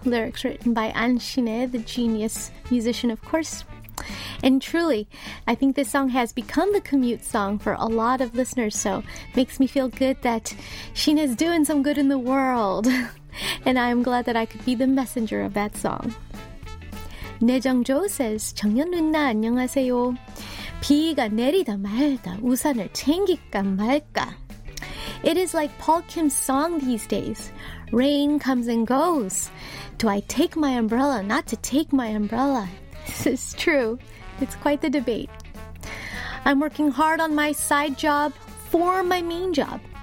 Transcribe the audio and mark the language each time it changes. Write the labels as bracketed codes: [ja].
[en] Lyrics written by An Shin-e, the genius musician, of course. And truly, I think this song has become the commute song for a lot of listeners, so makes me feel good that Shin-e's doing some good in the world. And I'm glad that I could be the messenger of that song. [ko] 내정조 [en] says, [ko] 정년 누나 안녕하세요. 비가 내리다 말다 우산을 챙길까 말까. [en] It is like Paul Kim's song these days. Rain comes and goes. Do I take my umbrella not to take my umbrella? This is true. It's quite the debate. I'm working hard on my side job for my main job.